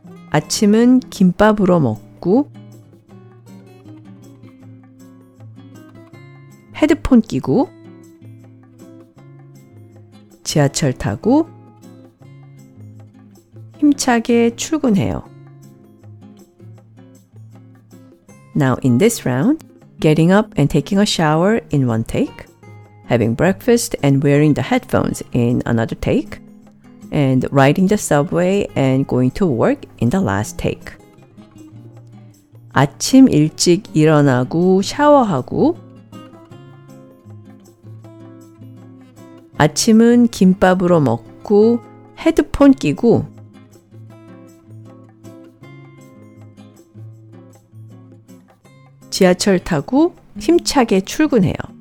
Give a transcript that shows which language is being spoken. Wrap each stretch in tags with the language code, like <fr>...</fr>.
<ko>아침은 김밥으로 먹고 헤드폰 끼고 지하철 타고 힘차게 출근해요.</ko> <en>Now in this round, getting up and taking a shower in one take, having breakfast and wearing the headphones in another take, and riding the subway and going to work in the last take.</en> <ko>아침 일찍 일어나고 샤워하고 아침은 김밥으로 먹고 헤드폰 끼고 지하철 타고 힘차게 출근해요.</ko>